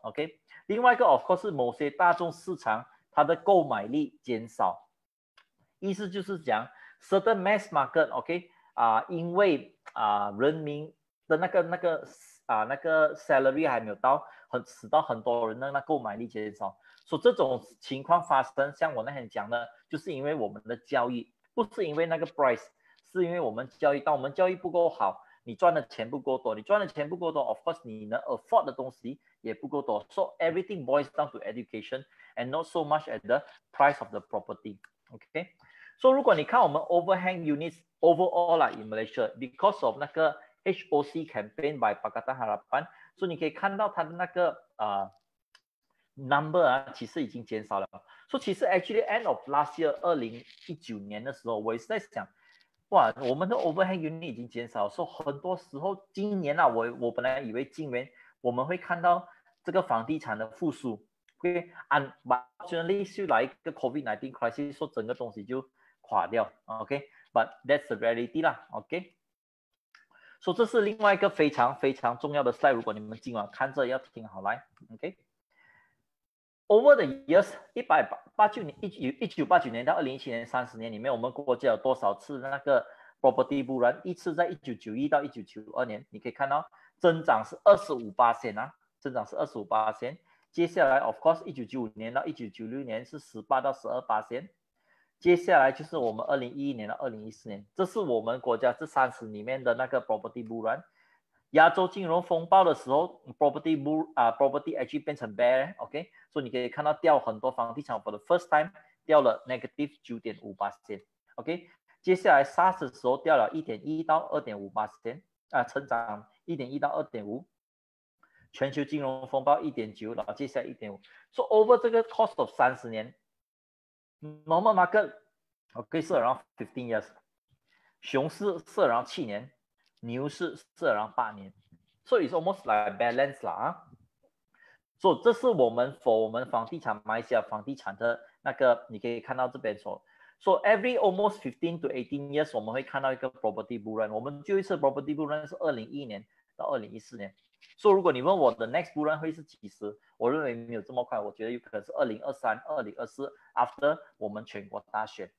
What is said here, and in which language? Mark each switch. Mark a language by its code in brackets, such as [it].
[zh] OK， 另外一个 of course 是某些大众市场它的购买力减少，意思就是讲 [en] certain mass market， [zh] OK、因为、人民的那个 salary 还没有到，使到很多人的那购买力减少。所以这种情况发生，像我那天讲的，就是因为我们的教育，不是因为那个 price， 是因为我们教育。当我们教育不够好，你赚的钱不够多，你赚的钱不够多， [en] of course [zh] 你能 afford 的东西也不够多。 [en] So everything boils down to educationand not so much at the price of the property. Okay, so [zh] 如果你看我们 [en] overhang units overall in Malaysia, because of 那个 HOC campaign by Pakatan Harapan, so [zh] 你可以看到它的那个、 [en] number、啊、 [zh] 其实已经减少了。 So 其实 actually end of last year 2019年的时候，我也是在想，哇，我们的 overhang unit 已经减少了。 So 很多时候今年、啊、我本来以为今年我们会看到这个房地产的复苏，但是来一个 [en] COVID-19 crisis， [zh] 说整个东西就垮掉。 [en] OK， but that's the reality 啦。 [zh] OK， 所以这是另外一个非常非常重要的 slide， 如果你们今晚看着要听好来。 OK， [en] over the years [zh] 1989年到2017年30年里面，我们过去了多少次那个 property bull run？一次在1991到1992年，你可以看到增长是 25% 啊，增长是 25%。接下来 of course 1995年到1996年是 18% 到 12%， 接下来就是我们2011年到2014年，这是我们国家这30里面的那个 property bull run。亚洲金融风暴的时候 property bull、property actually 变成 bear， OK， 所以你可以看到掉很多房地产 for the first time 掉了 -9.5%， OK。接下来 SARS 的时候掉了 1.1 到 2.5%， 成长 1.1 到 2.5%，全球金融风暴 1.9， 然后接下来 1.5。 [en] So over 这个 cost of 30年 normal market OK 是 around 15 years， [zh] 熊市是 [en] around 7年， [zh] 牛市是 [en] around 8年。 So it's almost like balance 啦。 [zh] So 这是我们 for 我们房地产，马来西亚房地产的那个，你可以看到这边说 [en] So every almost 15 to 18 years [zh] 我们会看到一个 property bull run。 我们最后一次 property bull run 是2011年到2014年。所、so, 以如果你问我的 next bull run 会是几时，我认为没有这么快，我觉得有可能是2023 2024， [en] after [zh] 我们全国大选。